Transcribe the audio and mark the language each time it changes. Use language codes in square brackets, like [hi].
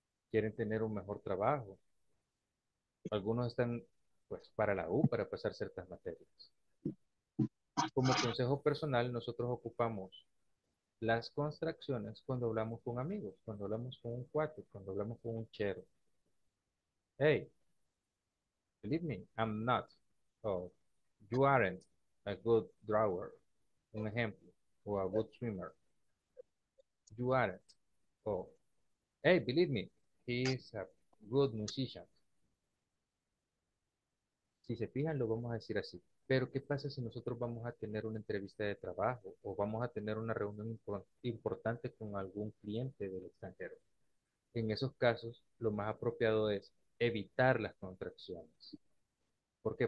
[es] Quieren tener un mejor trabajo. Algunos están, pues, para la U, para pasar ciertas materias. Como consejo personal, nosotros ocupamos las contracciones cuando hablamos con amigos, cuando hablamos con un cuate, cuando hablamos con un chero. [en] Hey, believe me, I'm not. Oh, you aren't a good drawer. [es] Un ejemplo. [en] O a good swimmer. You aren't. Oh, hey, believe me, he is a good musician. [es] Si se fijan, lo vamos a decir así. Pero, ¿qué pasa si nosotros vamos a tener una entrevista de trabajo o vamos a tener una reunión importante con algún cliente del extranjero? En esos casos, lo más apropiado es evitar las contracciones. ¿Por qué?